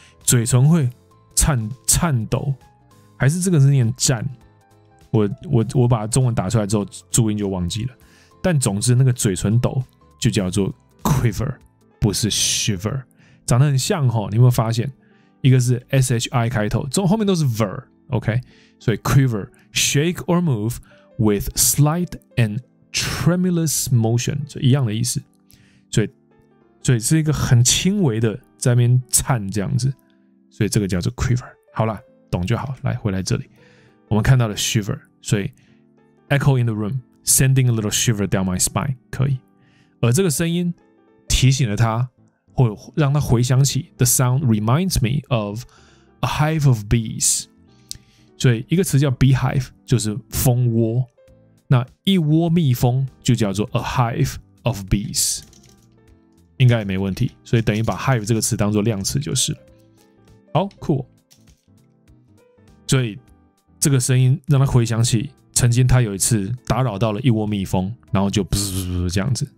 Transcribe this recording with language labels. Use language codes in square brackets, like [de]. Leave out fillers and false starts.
[zh] 嘴唇会颤抖，还是这个是念颤？我把中文打出来之后，注音就忘记了，但总之那个嘴唇抖就叫做 quiver。不是 shiver， 长得很像齁，你有没有发现？一个是 shi 开头，后面都是 ver，OK？、Okay? [en] 所以 quiver， shake or move with slight and tremulous motion， [zh] 一样的意思。所以是一个很轻微的在那边颤这样子，所以这个叫做 quiver。好啦，懂就好。来回来这里，我们看到了 [en] shiver， 所以 echo in the room， sending a little shiver down my spine， 可以。 [zh] 而这个声音。提醒了他，或让他回想起 [en] The sound reminds me of a hive of bees. [zh] 所以一个词叫 beehive 就是蜂窝，那一窝蜜蜂就叫做 [en] a hive of bees， [zh] 应该也没问题。所以等于把 hive 这个词当做量词就是。好 ，cool。所以这个声音让他回想起曾经他有一次打扰到了一窝蜜蜂，然后就噗噗噗噗这样子。